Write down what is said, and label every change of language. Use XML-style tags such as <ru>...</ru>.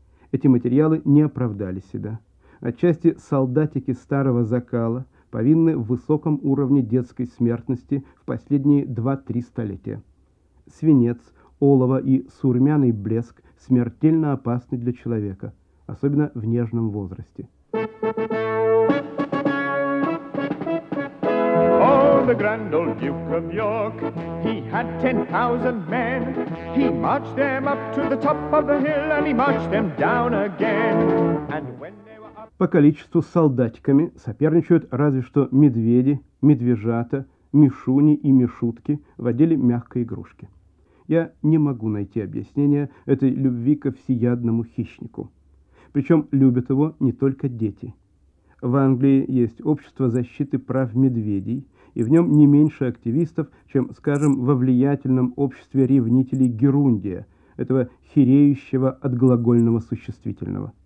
<ru>Эти материалы не оправдали себя. Отчасти солдатики старого закала повинны в высоком уровне детской смертности в последние 2-3 столетия. Свинец, олово и сурьмяный блеск смертельно опасны для человека, особенно в нежном возрасте.</ru> <en>The grand old Duke of York, he had 10,000 men. He marched them up to the top of the hill, and he marched them down again. And when they were up...</en> <ru>По количеству солдатиками соперничают разве что медведи, медвежата, мишуни и мишутки в отделе мягкой игрушки. Я не могу найти объяснения этой любви ко всеядному хищнику. Причем любят его не только дети. В Англии есть общество защиты прав медведей, и в нем не меньше активистов, чем, скажем, во влиятельном обществе ревнителей герундия, этого хиреющего от глагольного существительного.</ru>